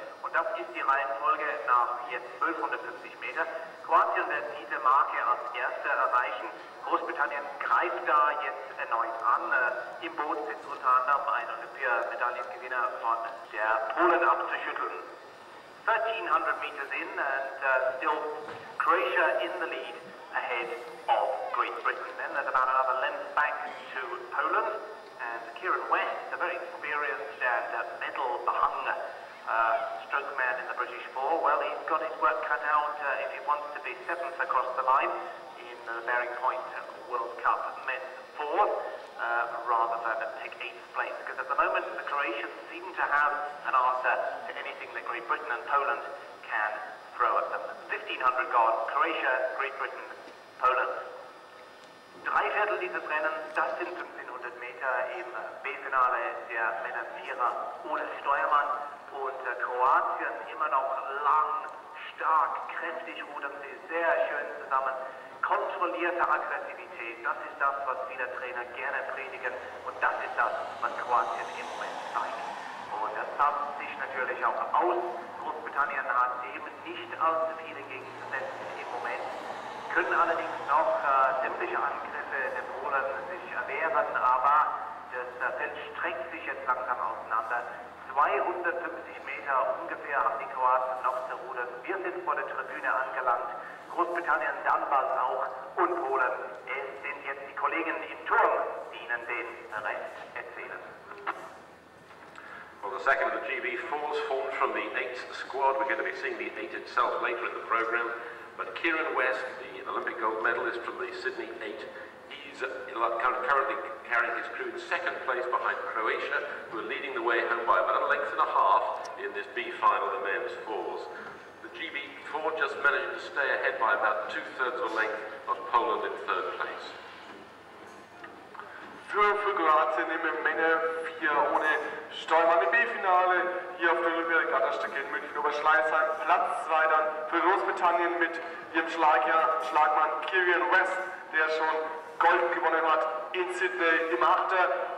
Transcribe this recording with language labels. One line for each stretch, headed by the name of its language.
German: Und das ist die Reihenfolge nach jetzt 1,250 Meter. Kroatien wird diese Marke als Erste erreichen. Großbritannien greift da jetzt erneut an. Im Boot sitzt unter anderem ein Olympiamedaillengewinner von der Polen abzuschütteln.
English: 1,300 meters in and still Croatia in the lead ahead of Great Britain. Then there's about another length back to Poland. And Kieran West, a very experienced and medal-behung stroke man in the British Four. Well, he's got his work cut out if he wants to be seventh across the line in the Bearing Point World Cup men's four, rather than take eighth place. Because at the moment, the Croatians seem to have an answer to anything that Great Britain and Poland can throw at them. 1,500 gone, Croatia, Great Britain, Poland.
German: Drei Viertel dieses Rennens, das sind 1,500 Meter im B-Finale der Männer Vierer ohne Steuermann. Und Kroatien immer noch lang, stark, kräftig rudern sie sehr schön zusammen. Kontrollierte Aggressivität, das ist das, was viele Trainer gerne predigen. Und das ist das, was Kroatien im Moment zeigt. Und das sah sich natürlich auch aus. Großbritannien hat dem nicht allzu viele gegengesetzt im Moment. Können allerdings noch sämtliche Angriffe der Polen sich erwehren, aber das Feld streckt sich jetzt langsam auseinander. 250 Meter ungefähr haben die Kroaten noch zu rudern. Wir sind vor der Tribüne angelangt. Großbritannien, dann bald auch und Polen. Es sind jetzt die Kollegen im Turm, die Ihnen den Rest erzählen.
English: Well, the second of the GB4s formed from the 8th squad. We're going to be seeing the 8 itself later in the program. But Kieran West, the Olympic gold medalist from the Sydney 8, he's currently carrying his crew in second place behind Croatia, who are leading the way home by about a length and a half in this B final of the men's fours. The GB4 just managing to stay ahead by about two-thirds of a length of Poland in third place.
German: Für Kroatien im Männer 4 ohne Steuermann im B-Finale hier auf der Olympiagatterstrecke in München über Schleißheim. Platz 2 dann für Großbritannien mit ihrem Schlagmann Kieran West, der schon Gold gewonnen hat in Sydney im 8er.